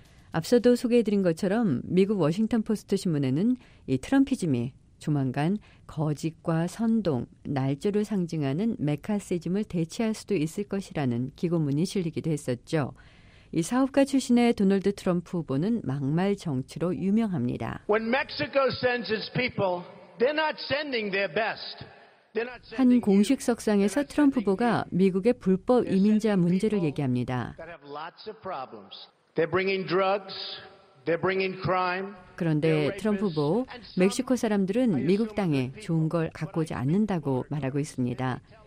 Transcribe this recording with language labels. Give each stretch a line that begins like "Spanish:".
Korean: 앞서도 소개해드린 것처럼 미국 워싱턴포스트 신문에는 이 트럼피즘이 조만간 거짓과 선동, 날조를 상징하는 메카시즘을 대체할 수도 있을 것이라는 기고문이 실리기도 했었죠. 이 사업가 출신의 도널드 트럼프 후보는 막말 정치로 유명합니다.
English: When Mexico sends its people, they're not sending their best.
Korean: 한 공식 석상에서 트럼프 후보가 미국의 불법 이민자 문제를 얘기합니다.
English: They're bringing drugs. They're bringing crime.
Korean: 그런데 트럼프 후보, 멕시코 사람들은 미국 땅에 좋은 걸 갖고 오지 않는다고 말하고 있습니다.